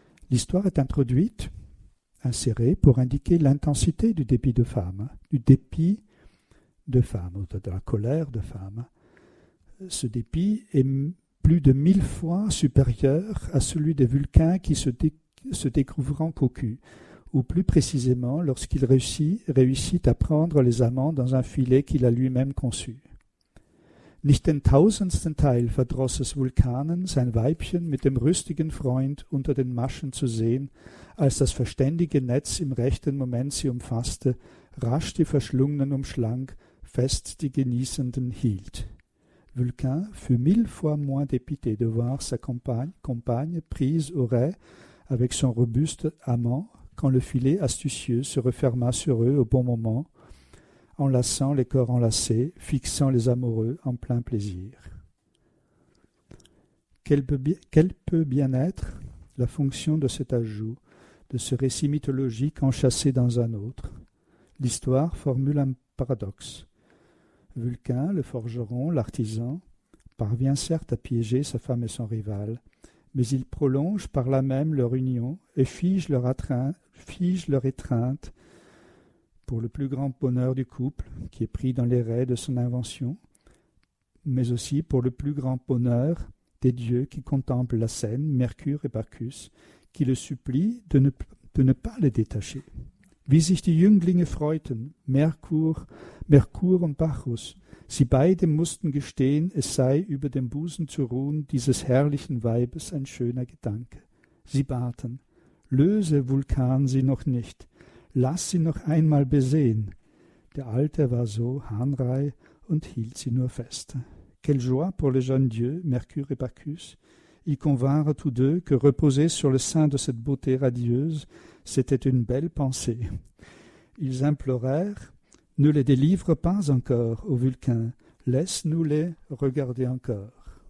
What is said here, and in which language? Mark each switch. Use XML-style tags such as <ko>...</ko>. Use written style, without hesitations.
<fr>L'histoire est introduite, insérée, pour indiquer l'intensité du dépit de femme, ou de la colère de femme. Ce dépit est plus de 1000 fois supérieur à celui des Vulcains qui se découvrant cocus, ou plus précisément lorsqu'il réussit à prendre les amants dans un filet qu'il a lui-même conçu.</fr> <de>Nicht den tausendsten Teil verdross es Vulkanen, sein Weibchen mit dem rüstigen Freund unter den Maschen zu sehen, als das verständige Netz im rechten Moment sie umfasste, rasch die Verschlungenen umschlang, fest die Genießenden hielt.</de> <fr>Vulcain fut mille fois moins dépité de voir sa compagne prise au ray avec son robuste amant quand le filet astucieux se referma sur eux au bon moment, enlaçant les corps enlacés, fixant les amoureux en plein plaisir. Quelle peut bien être la fonction de cet ajout, de ce récit mythologique enchâssé dans un autre? L'histoire formule un paradoxe. Vulcain, le forgeron, l'artisan, parvient certes à piéger sa femme et son rival, mais il prolonge par là même leur union et fige leur étreinte pour le plus grand bonheur du couple qui est pris dans les raies de son invention, mais aussi pour le plus grand bonheur des dieux qui contemplent la scène, Mercure et Bacchus, qui le supplient de ne pas le détacher.</fr> <de>Wie sich die Jünglinge freuten, Merkur und Bacchus, sie beide mussten gestehen, es sei über dem Busen zu ruhen, dieses herrlichen Weibes ein schöner Gedanke. Sie baten, löse Vulkan sie noch nicht, lass sie noch einmal besehen. Der Alte war so harnreih und hielt sie nur fest.</de> <fr>Quelle joie pour les jeunes dieux, Mercure et Bacchus. Ils convinrent tous deux que reposer sur le sein de cette beauté radieuse, c'était une belle pensée. Ils implorèrent, ne les délivre pas encore, ô Vulcain, laisse-nous les regarder encore.</fr>